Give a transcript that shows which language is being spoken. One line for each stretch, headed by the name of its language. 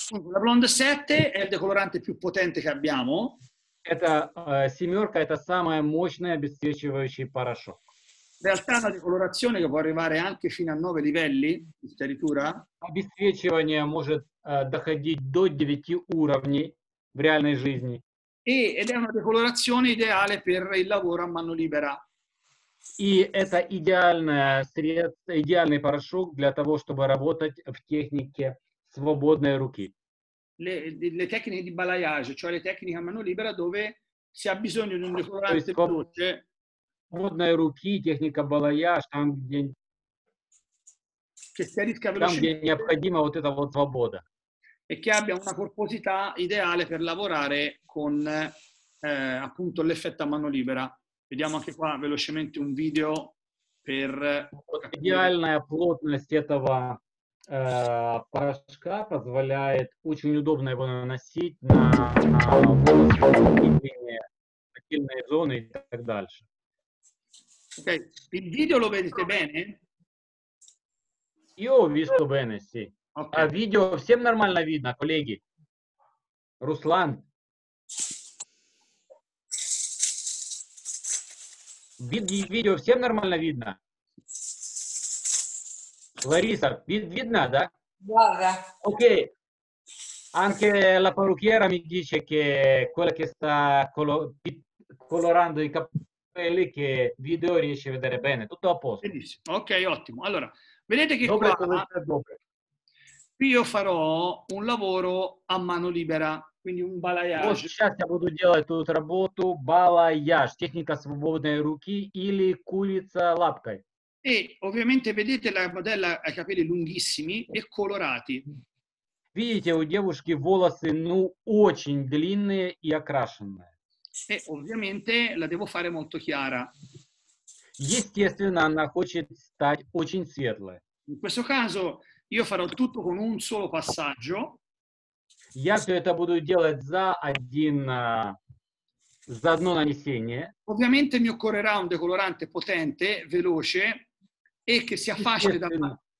Italian: La Blonde 7 è il decolorante più potente che abbiamo.
Russian: Это семерка, это самый мощный обесцвечивающий порошок.
Italian: In realtà la decolorazione può arrivare anche fino a 9 livelli di schiaritura.
Russian: Обесцвечивание может доходить до 9 уровней в реальной жизни.
Italian: Ed è una decolorazione ideale per il lavoro a mano libera.
Russian: И это идеальный порошок для того, чтобы работать в технике свободной руки.
Italian: Le tecniche di balayage, cioè le tecniche a mano libera dove si ha bisogno di un decolorante veloce.
Russian: Свободной руки, техника балаяж, там где,
Italian: che schiarisca velocemente.
Russian: Там где необходима вот эта вот свобода.
Italian: E che abbia una corposità ideale per lavorare con appunto l'effetto a mano libera. Vediamo anche qua velocemente un video per
Russian: идеальная плотность этого порошка позволяет очень удобно его наносить на волосы. сильные зоны и так дальше.
Italian: Okay. Il video lo vedete bene? Io ho visto bene, sì. Okay. A video
Russian: всем нормально видно, colleghi. Руслан. Видео всем нормально видно? Лариса, видно, да?
Italian: Guarda. Ok. Anche la parrucchiera mi dice che quella che sta colorando i capelli, che video riesce a vedere bene, tutto a posto. Benissimo. Ok, ottimo. Allora, vedete che dobre, qua, dobre. Qui io farò un lavoro a mano libera, quindi un balayage.
Russian: Ora буду делать тут работу балаяж, техника свободной руки или курица лапкой.
Italian: E ovviamente vedete la modella ha i capelli lunghissimi e colorati.
Russian: Видите, у девушки волосы, ну, очень длинные и окрашенные.
Italian: E ovviamente la devo fare molto chiara.
Russian: Естественно, она хочет стать очень светлой.
Italian: In questo caso io farò tutto con un solo passaggio.
Russian: Я все это буду делать за один, за одно нанесение.
Italian: Ovviamente mi occorrerà un decolorante potente, veloce e che sia facile da fare.